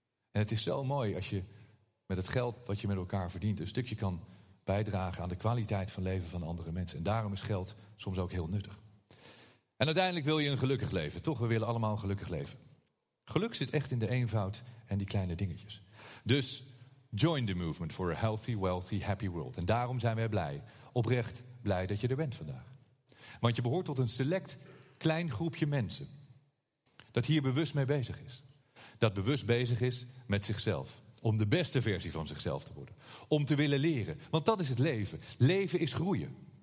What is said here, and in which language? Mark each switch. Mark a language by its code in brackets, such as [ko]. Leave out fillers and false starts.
[nl] En het is zo mooi als je met het geld wat je met elkaar verdient een stukje kan bijdragen aan de kwaliteit van leven van andere mensen. En daarom is geld soms ook heel nuttig. En uiteindelijk wil je een gelukkig leven. Toch, we willen allemaal een gelukkig leven. Geluk zit echt in de eenvoud en die kleine dingetjes. Dus [en] join the movement for a healthy, wealthy, happy world. [nl] En daarom zijn wij blij. Oprecht blij dat je er bent vandaag. Want je behoort tot een select klein groepje mensen dat hier bewust mee bezig is. Dat bewust bezig is met zichzelf. Om de beste versie van zichzelf te worden. Om te willen leren. Want dat is het leven. Leven is groeien.